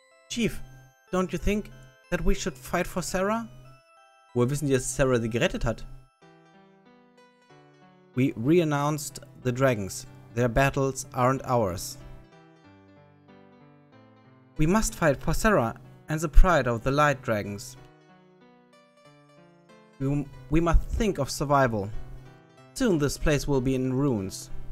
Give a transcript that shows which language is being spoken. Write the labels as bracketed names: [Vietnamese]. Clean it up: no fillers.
[English] Chief, don't you think that we should fight for Sarah? [German] Woher wissen die, dass Sarah sie gerettet hat? [English] We re-announced the dragons. Their battles aren't ours. We must fight for Sarah and the pride of the light dragons. We must think of survival. Soon this place will be in ruins.